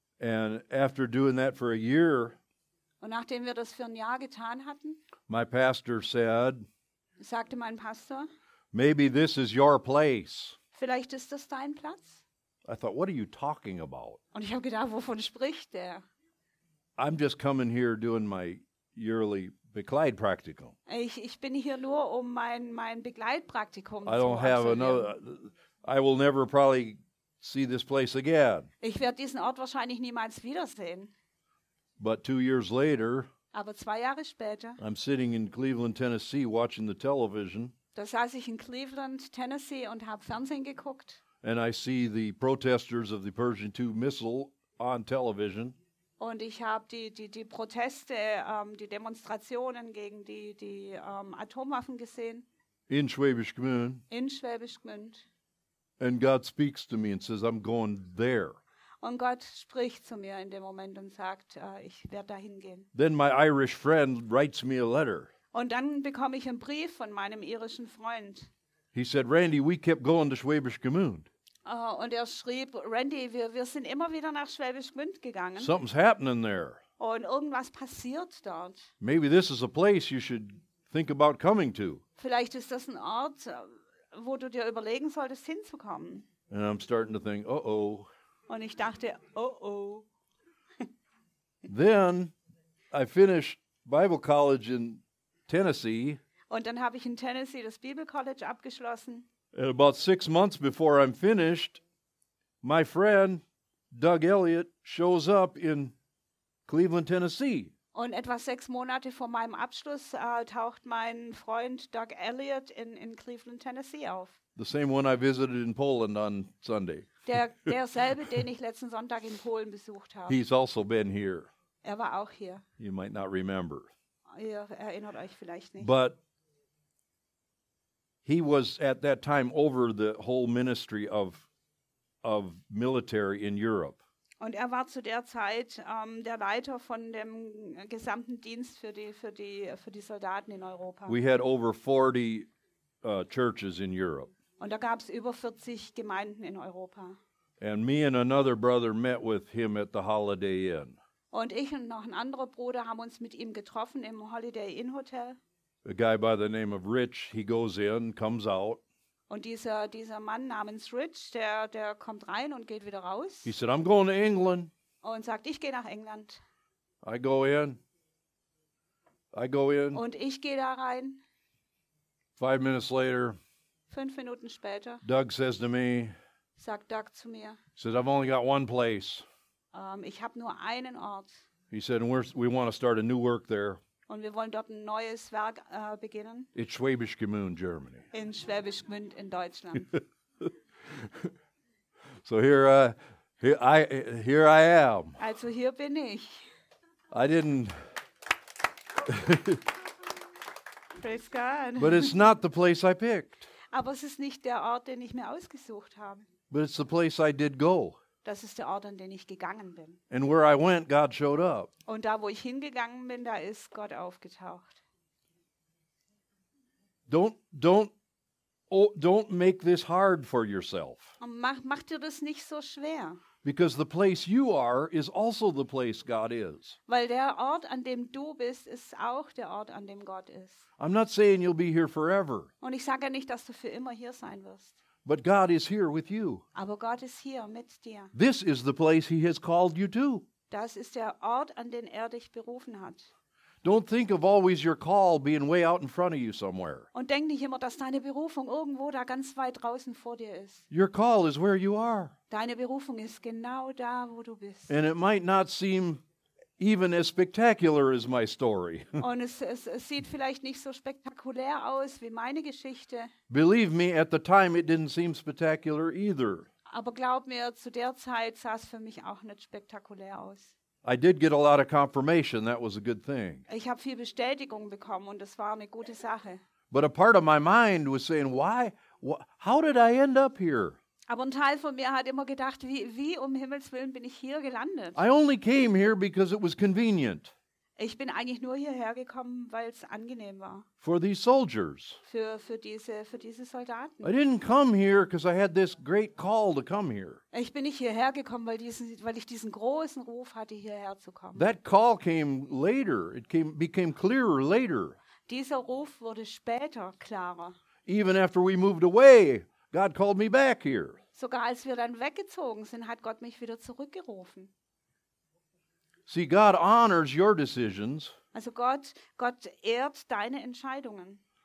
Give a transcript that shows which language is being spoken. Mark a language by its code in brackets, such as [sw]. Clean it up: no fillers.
[en] And after doing that for a year, [de] und nachdem wir das für ein Jahr getan hatten, [en] my pastor said, [de] sagte mein Pastor, [en] maybe this is your place. [de] Vielleicht ist das dein Platz. [en] I thought, what are you talking about? [de] Und ich habe gedacht, wovon spricht der? [en] I'm just coming here doing my yearly Begleitpraktikum. [de] Ich bin hier nur, um mein Begleitpraktikum zu absolvieren. [en] I will never probably see this place again. [de] Ich werde diesen Ort wahrscheinlich niemals wiedersehen. [en] But 2 years later, [de] aber 2 Jahre später, [en] I'm sitting in Cleveland, Tennessee, watching the television. [de] Da saß ich in Cleveland, Tennessee und habe Fernsehen geguckt. [en] And I see the protesters of the Pershing 2 missile on television. [de] Und ich habe die Proteste, die Demonstrationen gegen die Atomwaffen gesehen. [en] In Schwäbisch Gmünd. [de] In Schwäbisch Gmünd. [en] And God speaks to me and says, I'm going there. [de] Und Gott spricht zu mir in dem Moment und sagt, ich werde dahin gehen. [en] Then my Irish friend writes me a letter. [de] Und dann bekomme ich einen Brief von meinem irischen Freund. [en] He said, Randy, we kept going to Schwäbisch Gmünd. [de] Und er schrieb, Randy, wir sind immer wieder nach Schwäbisch Gmünd gegangen. [en] Something's happening there. [de] Und irgendwas passiert dort. [en] Maybe this is a place you should think about coming to. [de] Vielleicht ist das ein Ort, wo du dir überlegen solltest, hinzukommen. [en] And I'm starting to think, uh-oh. [de] Und ich dachte, uh-oh. [en] Then I finished Bible college in Tennessee. [de] Und dann habe ich in Tennessee das Bibelcollege abgeschlossen. [en] And about 6 months before I'm finished, my friend Doug Elliott shows up in Cleveland, Tennessee. [de] Und etwa 6 Monate vor meinem Abschluss taucht mein Freund Doug Elliott in Cleveland, Tennessee auf. [en] The same one I visited in Poland on Sunday. [de] Derselbe, den ich letzten Sonntag in Polen besucht habe. [en] He's also been here. [de] Er war auch hier. [en] You might not remember. [de] Ihr erinnert euch vielleicht nicht. [en] But he was at that time over the whole ministry of military in Europe. [de] Und er war zu der Zeit der Leiter von dem gesamten Dienst für die Soldaten in Europa. [en] We had over 40 churches in Europe. [de] Und da gab's über 40 Gemeinden in Europa. [en] And me and another brother met with him at the Holiday Inn. [de] Und ich und noch ein anderer Bruder haben uns mit ihm getroffen im Holiday Inn Hotel. [en] A guy by the name of Rich, he goes in, comes out. [de] Und dieser Mann namens Rich, der kommt rein und geht wieder raus. [en] He said, I'm going to England. [de] Und sagt, ich gehe nach England. [en] I go in. [de] Und ich gehe da rein. [en] 5 minutes later. [de] 5 Minuten später. [en] Doug says to me. [de] Sagt Doug zu mir. [en] He said, I've only got one place. [de] Ich habe nur einen Ort. [en] He said, we want to start a new work there. [de] Und wir wollen dort ein neues Werk beginnen. [en] In Schwäbisch Gmünd, Germany. [de] In Schwäbisch Gmünd in Deutschland. [en] So here I am. [de] Also hier bin ich. [en] I didn't. Praise God. But it's not the place I picked. [de] Aber es ist nicht der Ort, den ich mir ausgesucht habe. [en] But it's the place I did go. [de] Das ist der Ort, an den ich gegangen bin. [en] And where I went, God showed up. [de] Und da, wo ich hingegangen bin, da ist Gott aufgetaucht. [en] Don't make this hard for yourself. [de] Mach dir das nicht so schwer. [en] Because the place you are is also the place God is. [de] Weil der Ort, an dem du bist, ist auch der Ort, an dem Gott ist. [en] I'm not saying you'll be here forever. [de] Und ich sage nicht, dass du für immer hier sein wirst. [en] But God is here with you. [de] Aber Gott ist hier mit dir. [en] This is the place he has called you to. [de] Das ist der Ort, an den dich berufen hat. [en] Don't think of always your call being way out in front of you somewhere. [de] Und denk nicht immer, dass deine Berufung irgendwo da ganz weit draußen vor dir ist. [en] Your call is where you are. [de] Deine Berufung ist genau da, wo du bist. [en] And it might not seem even as spectacular as my story. [de] Und es sieht vielleicht nicht so spektakulär aus wie meine Geschichte. [en] Believe me, at the time it didn't seem spectacular either. [de] Aber glaub mir, zu der Zeit sah es für mich auch nicht spektakulär aus. [en] I did get a lot of confirmation, that was a good thing. [de] Ich habe viel Bestätigung bekommen und das war eine gute Sache. [en] But a part of my mind was saying, why? How did I end up here? [de] Aber ein Teil von mir hat immer gedacht, wie um Himmels Willen bin ich hier gelandet? [en] I only came here because it was convenient. [de] Ich bin eigentlich nur hierher gekommen, weil es angenehm war. [en] For these soldiers. [de] Für diese Soldaten. [en] I didn't come here because I had this great call to come here. [de] Ich bin nicht hierher gekommen, weil ich diesen großen Ruf hatte, hierher zu kommen. [en] That call came later. It became clearer later. [de] Dieser Ruf wurde später klarer. [en] Even after we moved away, God called me back here. [de] Sogar als wir dann weggezogen sind, hat Gott mich wieder zurückgerufen. [en] See, God honors your decisions. [de] Also Gott ehrt deine Entscheidungen.